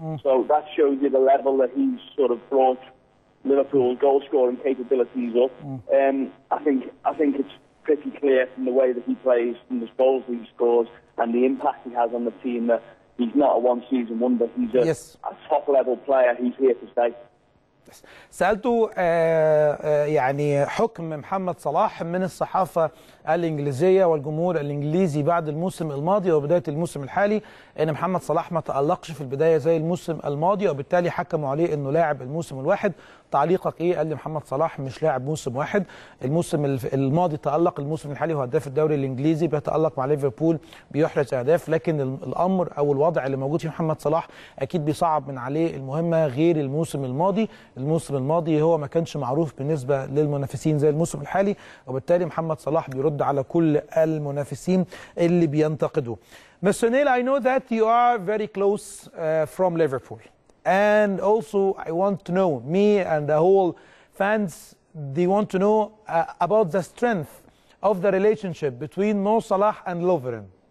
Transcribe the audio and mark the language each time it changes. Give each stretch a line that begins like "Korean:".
English: So that shows you the level that he's sort of brought Liverpool goal-scoring capabilities up. I think it's pretty clear from the way that he plays, from the goals he scores, and the impact he has on the team that he's not a one-season wonder. He's a top-level player. He's here to stay.
Arabic: سألته يعني حكم محمد صلاح من الصحافة الإنجليزية والجمهور الإنجليزي بعد الموسم الماضي وبداية الموسم الحالي أن محمد صلاح ما تألقش في البداية زي الموسم الماضي وبالتالي حكموا عليه أنه لاعب الموسم الواحد. تعليقك إيه؟ قال لي محمد صلاح مش لاعب موسم واحد، الموسم الماضي تألق، الموسم الحالي هو هداف الدوري الإنجليزي بيتألق مع ليفربول بيحرز أهداف، لكن الأمر أو الوضع اللي موجود في محمد صلاح أكيد بيصعب من عليه المهمة غير الموسم الماضي. الموسم الماضي هو ما كانش معروف بالنسبة للمنافسين زي الموسم الحالي، وبالتالي محمد صلاح بيرد على كل المنافسين اللي بينتقدوا.
English: Mr. Neil, I know that you are very close from Liverpool. And also, I want to know, me and the whole fans, they want to know about the strength of the relationship between Mo Salah and Lovren.